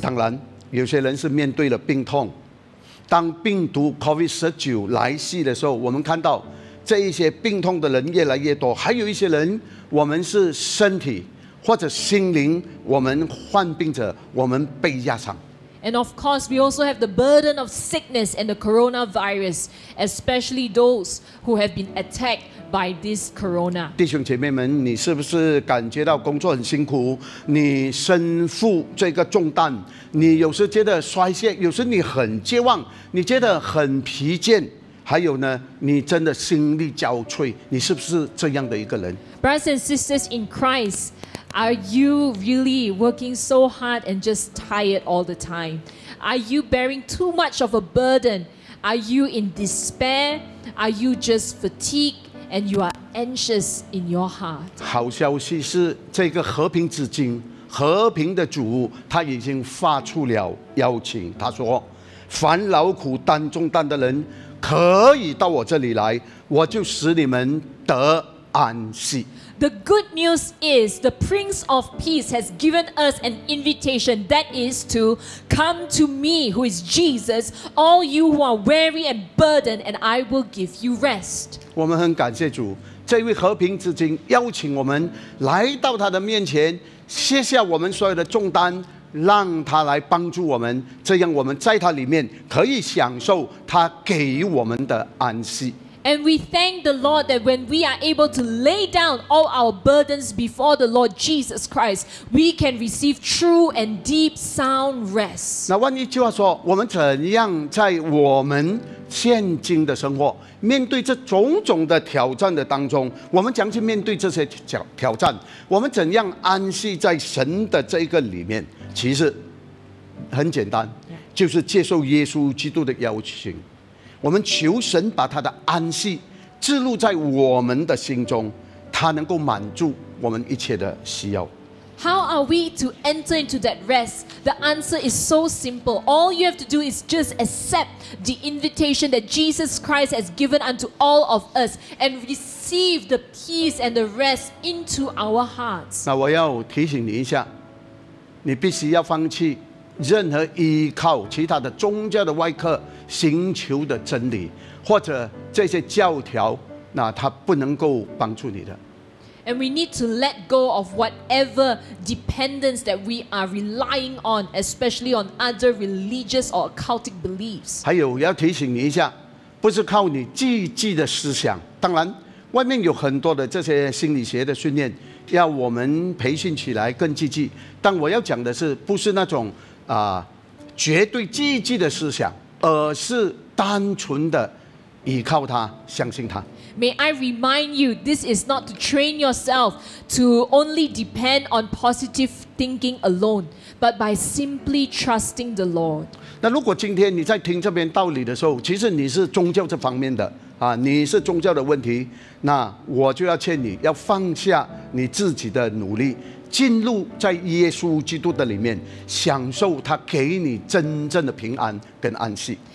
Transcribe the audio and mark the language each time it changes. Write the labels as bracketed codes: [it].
[zh] 当然，有些人是面对了病痛。当病毒 COVID-19 来袭的时候，我们看到这一些病痛的人越来越多，还有一些人，我们是身体或者心灵，我们患病者，我们被压伤。 [en] And of course, we also have the burden of sickness and the coronavirus, especially those who have been attacked by this corona. [zh] 弟兄姐妹们，你是不是感觉到工作很辛苦？你身负这个重担，你有时觉得衰竭，有时你很绝望，你觉得很疲倦。还有呢，你真的心力交瘁，你是不是这样的一个人 [en] ？Brothers and sisters in Christ. Are you really working so hard and just tired all the time? Are you bearing too much of a burden? Are you in despair? Are you just fatigued and you are anxious in your heart? [zh] 好消息是，这个和平之君、和平的主，他已经发出了邀请。他说，烦劳苦担重担的人，可以到我这里来，我就使你们得安息。 [en] The good news is the Prince of Peace has given us an invitation that is to come to me, who is Jesus, all you who are weary and burdened, and I will give you rest. [zh] 我们很感谢主，这位和平之君邀请我们来到他的面前，卸下我们所有的重担，让他来帮助我们，这样我们在他里面可以享受他给我们的安息。 [en] And we thank the Lord that when we are able to lay down all our burdens before the Lord Jesus Christ, we can receive true and deep sound rest. [zh] 那万一句话说，我们怎样在我们现今的生活，面对这种种的挑战的当中，我们将去面对这些挑战，我们怎样安息在神的这个里面？其实很简单，就是接受耶稣基督的邀请，我们求神把他的安息置入在我们的心中，他能够满足我们一切的需要。 [en] How are we to enter into that rest? The answer is so simple. All you have to do is just accept the invitation that Jesus Christ has given unto all of us and receive the peace and the rest into our hearts. [zh] 那我要提醒你一下，你必须要放弃任何依靠其他的宗教的外壳寻求的真理，或者这些教条，那它不能够帮助你的。 [en] And we need to let go of whatever dependence that we are relying on, especially on other religious or occultic beliefs. [zh] 还有要提醒你一下，不是靠你自己的思想。当然，外面有很多的这些心理学的训练，要我们培训起来更自己。但我要讲的是，不是那种绝对自己的思想，而是单纯的依靠他，相信他。 [en] May I remind you, this is not to train yourself to only depend on positive thinking alone, but by simply trusting the Lord. [zh] 那如果今天你在听这边道理的时候，其实你是宗教这方面的啊，你是宗教的问题，那我就要劝你要放下你自己的努力，进入在耶稣基督的里面，享受他给你真正的平安跟安息。